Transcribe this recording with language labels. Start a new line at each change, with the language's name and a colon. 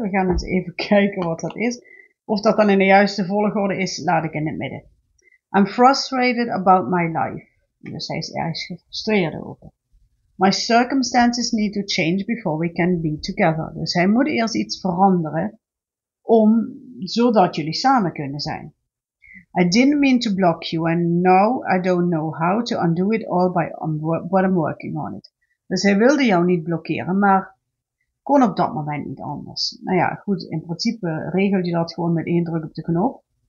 Dutch: We gaan eens even kijken wat dat is. Of dat dan in de juiste volgorde is, laat ik in het midden.
English: I'm frustrated about my life.
Dutch: Dus hij is ergens gefrustreerd over.
English: My circumstances need to change before we can be together.
Dutch: Dus hij moet eerst iets veranderen, zodat jullie samen kunnen zijn.
English: I didn't mean to block you and now I don't know how to undo it all but I'm working on it.
Dutch: Dus hij wilde jou niet blokkeren, maar kon op dat moment niet anders. Nou ja, goed, in principe regelt hij dat gewoon met één druk op de knop.